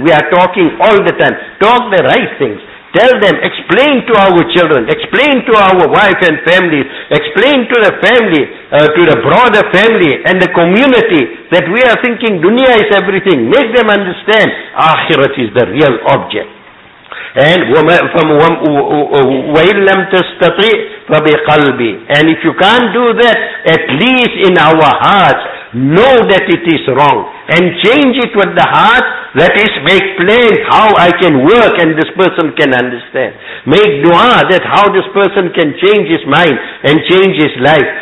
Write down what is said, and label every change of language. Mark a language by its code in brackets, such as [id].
[en] We are talking all the time. Talk the right things. Tell them, explain to our children, explain to our wife and family, explain to the family, to the broader family and the community, that we are thinking dunya is everything. Make them understand akhirat is the real object. And [ar] وَإِن لَمْ تَسْتَطِعْ فَبِقَلْبِ. [en] And if you can't do that, at least in our hearts, know that it is wrong. And change it with the heart, that is, make plain how I can work and this person can understand. Make dua that how this person can change his mind and change his life.